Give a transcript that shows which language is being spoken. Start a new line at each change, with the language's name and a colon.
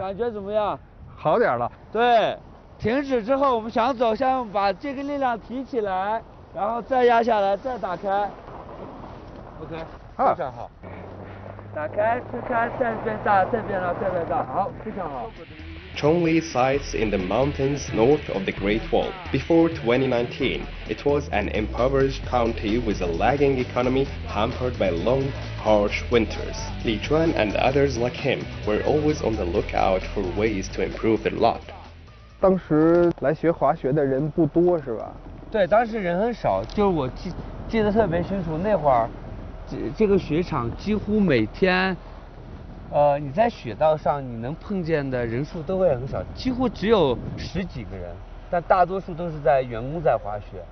Chinese: 感觉怎么样？好点了。对，停止之后，我们想走，先把这个力量提起来，然后再压下来，再打开。 OK， 非常好。打开，推开，再变大，再变大，再变大，好，非常好。
English: Chongli sites in the mountains north of the Great Wall. Before 2019, it was an impoverished county with a lagging economy hampered by long, harsh winters. Li Chuan and others like him were always on the lookout for ways to improve their lot.
Chinese: 当时来学滑雪的人不多是吧？对，当时人很少，就是我记得特别清楚，那会儿这个雪场几乎每天你在雪道上你能碰见的人数都会很少，几乎只有十几个人，但大多数都是在员工在滑雪。